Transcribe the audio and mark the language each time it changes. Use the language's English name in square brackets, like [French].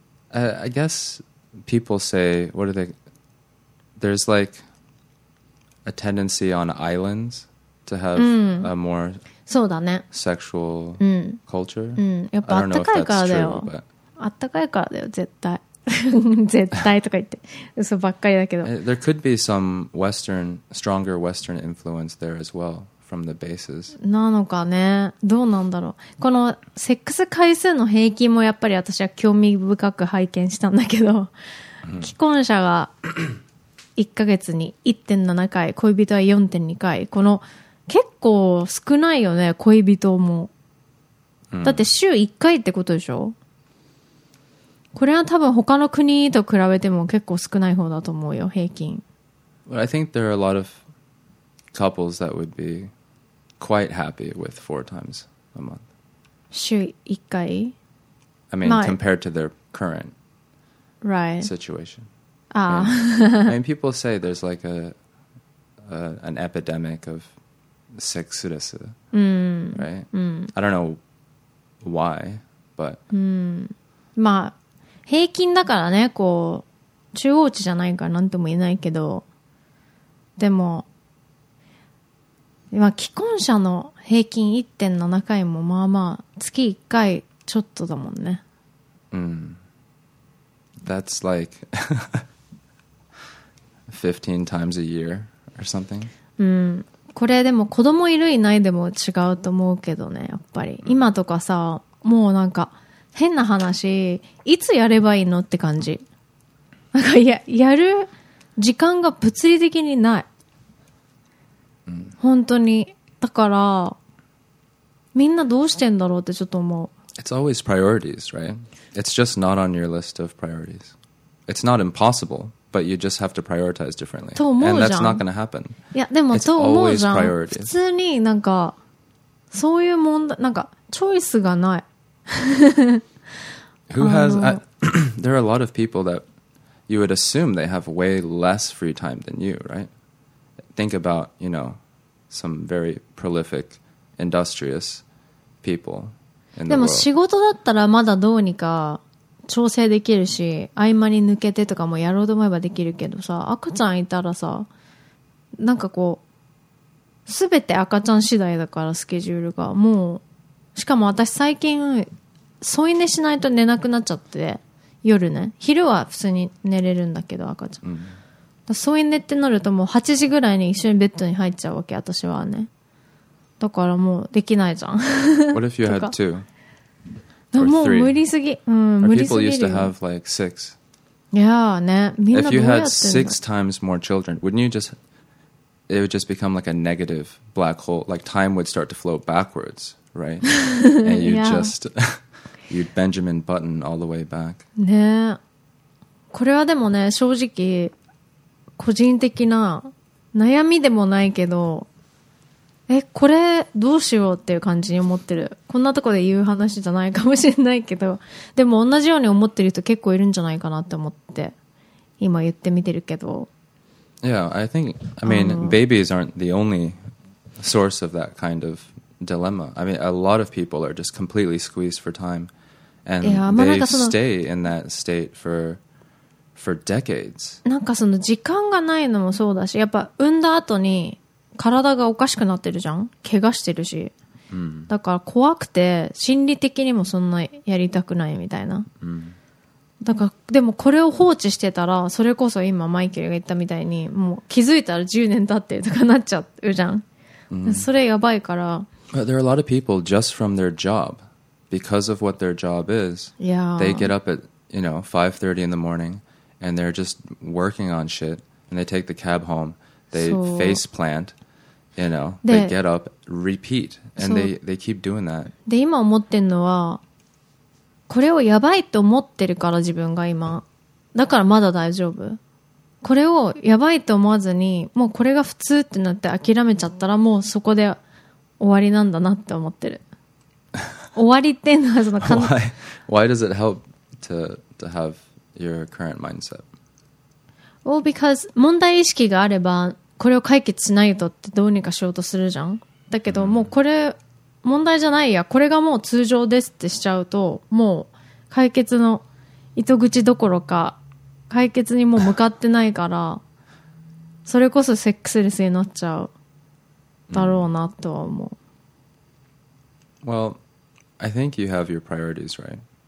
[English] I guess people say, what are they? There's like a tendency on islands to have a more [Japanese] そうだね。 [English] sexual culture. [Japanese] やっぱあったかいからだよ。あったかいからだよ、絶対。絶対とか言って、嘘ばっかりだけど。 [English] There could be some Western, stronger Western influence there as well from the bases. [Japanese] なのかね。どうなんだろう。このセックス回数の平均もやっぱり私は興味深く拝見したんだけど、既婚者が1ヶ月に 1.7 回、恋人は 4.2 回。この結構少ないよね、恋人も。だって週1回ってことでしょ？これは多分他の国と比べても結構少ない方だと思うよ、平均。 [English] But I think there are a lot of couples that would be quite happy with four times a month. [Japanese] 週1回？ [English] I mean, compared to their current situation. Ah. I mean, people say there's like an epidemic ofセックスレス、right? I don't know why, but、 [Japanese] まあ平均だからね、こう中央値じゃないから何とも言えないけど、でも今既婚者の平均 1.7 回もまあまあ月1回ちょっとだもんね。 [English] That's like 15 times a year or something. [Japanese] これでも子供いるいないでも違うと思うけどね、やっぱり今とかさ、もうなんか変な話、いつやればいいのって感じ。なんか やる時間が物理的にない、本当に。だからみんなどうしてんだろうってちょっと思う。 [English] It's always priorities, right? It's just not on your list of priorities. It's not impossibleBut you just have to prioritize differently. [Japanese] と思うじゃん。 [English] And that's not going to happen. [Japanese] いやでもと思うじゃん。普通になんかそういう問題、なんかチョイスがない。 [English] Who has? There are a lot of people that you would assume they have way less free time than you, right? Think about, you know, some very prolific, industrious people in the world. [Japanese] でも仕事だったらまだどうにか。調整できるし、合間に抜けてとかもやろうと思えばできるけどさ、赤ちゃんいたらさ、なんかこう全て赤ちゃん次第だから、スケジュールがもう。しかも私最近添い寝しないと寝なくなっちゃって、夜ね、昼は普通に寝れるんだけど赤ちゃん、だから添い寝ってなるともう8時ぐらいに一緒にベッドに入っちゃうわけ、私はね。だからもうできないじゃん。 [English] What if you had two? [Japanese] もう無理すぎ、無理すぎる。 [English] People used to have like six. Yeah, ね。 If you had six times more children, wouldn't you just, it would just become like a negative black hole. Like time would start to flow backwards, right? And you'd just, you'd Benjamin Button all the way back. ね。 [Japanese] これはでもね、正直個人的な悩みでもないけど、これどうしようっていう感じに思ってる。こんなとこで言う話じゃないかもしれないけど、でも同じように思ってる人結構いるんじゃないかなって思って今言ってみてるけど。 [English] Yeah, I think, I mean, babies aren't the only source of that kind of dilemma. I mean, a lot of people are just completely squeezed for time and they stay in that state for decades. [Japanese] なんかその時間がないのもそうだし、やっぱ産んだ後に体がおかしくなってるじゃん、怪我してるし、だから怖くて心理的にもそんなやりたくないみたいな、だからでもこれを放置してたら、それこそ今マイケルが言ったみたいにもう気づいたら10年経ってとかなっちゃうじゃん、それやばいから。 [English] But there are a lot of people just from their job, because of what their job is, they get up at, you know, 5:30 in the morning and they're just working on shit and they take the cab homeThey face plant, you know, they get up, repeat, and they keep doing that. [Japanese] で、今思ってんのは、これをやばいと思ってるから自分が今。だからまだ大丈夫。これをやばいと思わずに、もうこれが普通ってなって諦めちゃったら、もうそこで終わりなんだなって思ってる。終わりっていうのはその可能。 [English] Why does it help to have your current mindset? Well, because [Japanese] 問題意識があればこれを解決しないとってどうにかしようとするじゃん。だけど、mm-hmm. もうこれ問題じゃないや、これがもう通常ですってしちゃうと、もう解決の糸口どころか解決にもう向かってないから、それこそセックスレスになっちゃうだろうなとは思う。 Mm-hmm. [English] Well, I think you have your priorities right.